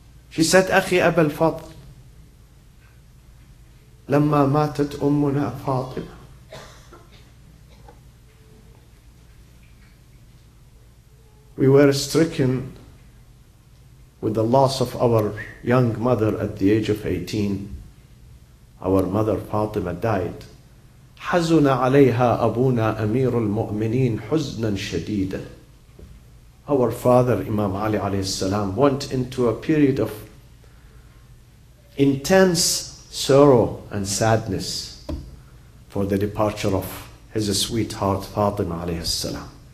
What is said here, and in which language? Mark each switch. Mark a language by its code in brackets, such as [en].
[en] She said, [ar] أخي أبا الفضل لما ماتت أمنا فاطمة [en] we were stricken with the loss of our young mother at the age of 18. Our mother Fatima died. [ar] حزن عليها أبونا أمير المؤمنين حزنا شديدا. [en] Our father Imam Ali عليه السلام went into a period of intense sorrow and sadness for the departure of his sweetheart Fatima عليه السلام.